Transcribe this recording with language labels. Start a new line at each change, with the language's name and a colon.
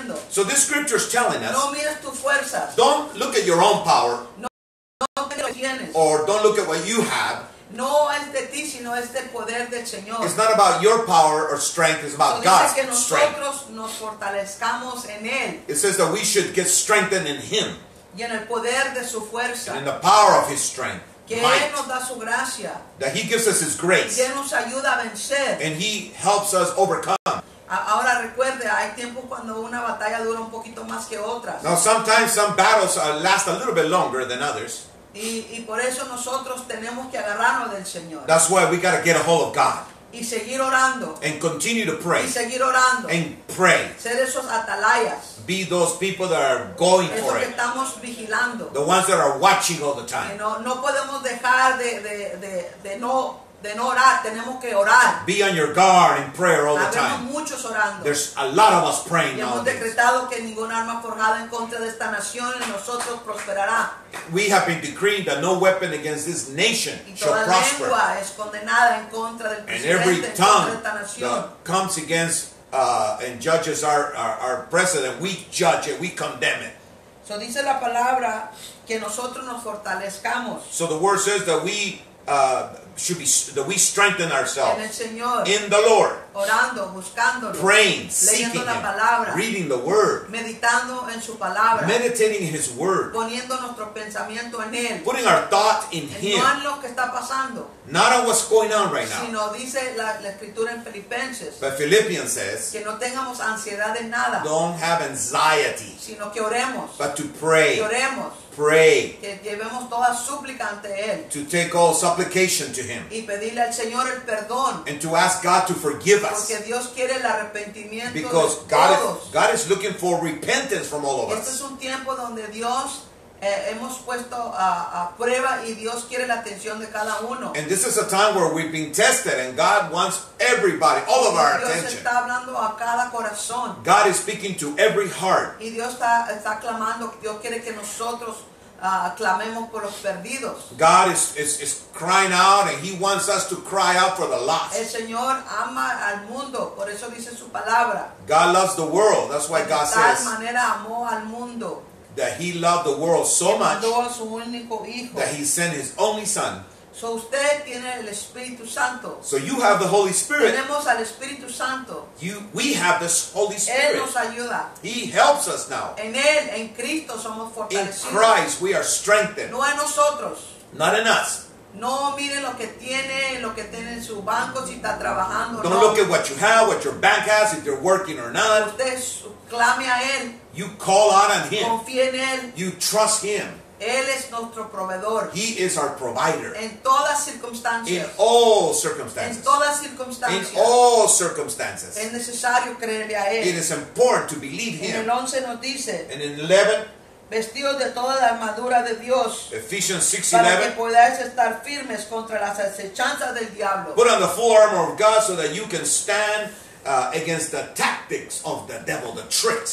English: So this scripture is telling us, don't look at your own power or don't look at what you have.
Spanish: No es de ti, sino es del poder del Señor.
English: It's not about your power or strength. It's about God's strength.
Spanish: Nos fortalezcamos en él.
English: It says that we should get strengthened in Him
Spanish: y en el poder de su fuerza.
English: And in the power of His strength.
Spanish: Que
English: might,
Spanish: él nos da su gracia,
English: that He gives us His grace,
Spanish: y él nos ayuda a vencer,
English: and He helps us overcome.
Spanish: Ahora recuerde, hay tiempo cuando una batalla dura un poquito más que otras.
English: Now sometimes some battles last a little bit longer than others.
Spanish: Y por eso nosotros tenemos que agarrarnos del Señor.
English: That's why we got to get a hold of God.
Spanish: Y seguir orando.
English: And continue to pray.
Spanish: Y seguir orando.
English: And pray.
Spanish: Ser esos atalayas.
English: Be those people that are going
Spanish: esos
English: for
Spanish: que
English: it.
Spanish: Estamos vigilando.
English: The ones that are watching all the time.
Spanish: No, no podemos dejar de no orar. Tenemos que orar.
English: Be on your guard in prayer all
Spanish: Habemos
English: the time.
Spanish: Habemos muchos orando.
English: There's a lot of us praying
Spanish: y hemos
English: nowadays.
Spanish: Decretado que ningún arma forjada en contra de esta nación en nosotros prosperará.
English: We have been decreeing that no weapon against this nation shall prosper.
Spanish: Es condenada en contra del
English: and every tongue that comes against and judges our president, we judge it, we condemn it.
Spanish: So dice la palabra que nosotros nos fortalezcamos.
English: So the word says that we should be that we strengthen ourselves
Spanish: en el Señor,
English: in the Lord,
Spanish: orando, buscándolo,
English: praying, seeking
Spanish: leyendo
English: him,
Spanish: la palabra,
English: reading the word,
Spanish: meditando en su palabra,
English: meditating in his word,
Spanish: poniendo nuestro pensamiento en él,
English: putting our thought in him,
Spanish: no en lo que está pasando,
English: not on what's going on right now,
Spanish: sino dice la escritura en Filipenses,
English: but Philippians says
Spanish: que no tengamos ansiedad en nada,
English: don't have anxiety,
Spanish: sino que oremos,
English: but to pray,
Spanish: que oremos,
English: pray,
Spanish: que llevemos toda súplica ante él,
English: to take all supplication to him,
Spanish: y pedirle al Señor el perdón,
English: and to ask God to forgive us,
Spanish: porque Dios quiere el arrepentimiento
English: because
Spanish: de todos.
English: God is looking for repentance from all of
Spanish: este
English: us.
Spanish: Es un tiempo donde Dios hemos puesto a prueba y Dios quiere la atención de cada uno.
English: And this is a time where we've been tested and God wants everybody, all of our
Spanish: Dios
English: attention.
Spanish: Está hablando a cada corazón.
English: God is speaking to every heart.
Spanish: Y Dios está, está clamando, Dios quiere que nosotros clamemos por los perdidos.
English: God is crying out and He wants us to cry out for the lost.
Spanish: El Señor ama al mundo, por eso dice su palabra.
English: God loves the world, that's why God says.
Spanish: De tal manera amó al mundo.
English: That He loved the world so much
Spanish: mandó a su único hijo.
English: That He sent His only Son.
Spanish: So usted tiene el Espíritu Santo.
English: So you have the Holy Spirit.
Spanish: Tenemos al Espíritu Santo.
English: We have the Holy Spirit.
Spanish: Él nos ayuda.
English: He helps us now.
Spanish: En él, en Cristo somos fortalecidos.
English: In Christ we are strengthened.
Spanish: No en nosotros.
English: Not in us.
Spanish: No mire lo que tiene en su banco, si está trabajando
English: Don't
Spanish: no.
English: look at what you have, what your bank has, if you're working or not.
Spanish: Usted clame a él.
English: You call out on Him.
Spanish: Confía en él.
English: You trust Him.
Spanish: Él es nuestro proveedor.
English: He is our provider.
Spanish: En todas circunstancias.
English: In all circumstances.
Spanish: En todas circunstancias.
English: In all circumstances.
Spanish: Es necesario creerle a él.
English: It is important to believe Him.
Spanish: En el 11 nos dice.
English: And in 11.
Spanish: Vestidos de toda la armadura de Dios.
English: Ephesians 6,
Spanish: para
English: 11,
Spanish: que podáis estar firmes contra las acechanzas del diablo.
English: Put on the full armor of God so that you can stand against the tactics of the devil, the tricks.